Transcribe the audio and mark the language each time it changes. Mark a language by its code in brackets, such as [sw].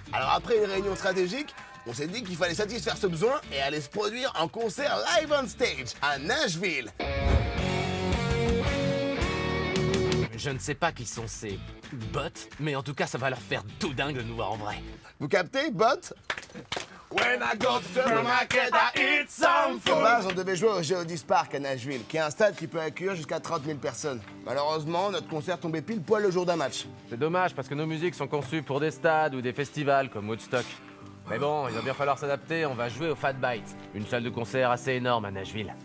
[fr] Alors après une réunion stratégique, on s'est dit qu'il fallait satisfaire ce besoin et aller se produire en concert [en] live on stage [fr] à Nashville. Je ne sais pas qui sont ces bots, mais en tout cas, ça va leur faire tout dingue de nous voir en vrai. Vous captez, bots? [en] When I go to the market, I eat some food. [fr] De base, on devait jouer au Geodis Park à Nashville, qui est un stade qui peut accueillir jusqu'à 30 000 personnes. Malheureusement, notre concert tombait pile poil le jour d'un match. C'est dommage parce que nos musiques sont conçues pour des stades ou des festivals comme Woodstock. Mais bon, il va bien falloir s'adapter, on va jouer au Fat Bite, une salle de concert assez énorme à Nashville.